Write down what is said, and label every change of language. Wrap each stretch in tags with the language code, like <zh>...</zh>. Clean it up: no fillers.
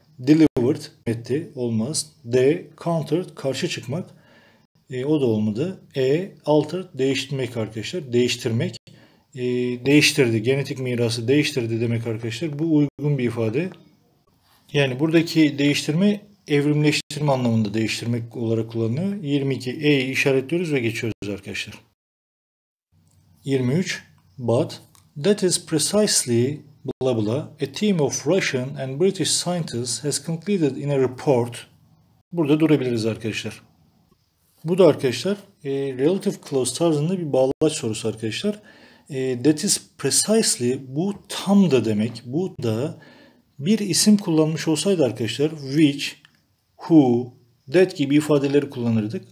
<tr>Delivered, etti. Olmaz. D. Countered, karşı çıkmak. O da olmadı. E. Altered, değiştirmek arkadaşlar. Değiştirmek. Değiştirdi. Genetik mirası değiştirdi demek arkadaşlar. Bu uygun bir ifade. Yani buradaki değiştirme evrimleştirme anlamında değiştirmek olarak kullanılıyor. 22 E'yi işaretliyoruz ve geçiyoruz arkadaşlar.</tr> <en>23 But that is precisely blah blah a team of Russian and British scientists has concluded in a report.</en> <tr>Burada durabiliriz arkadaşlar. Bu da arkadaşlar relative clause tarzında bir bağlaç sorusu arkadaşlar.</tr> <en>That is precisely</en> <tr>bu tam da demek. Bu da bir isim kullanmış olsaydı arkadaşlar which who, that gibi ifadeleri kullanırdık.</tr>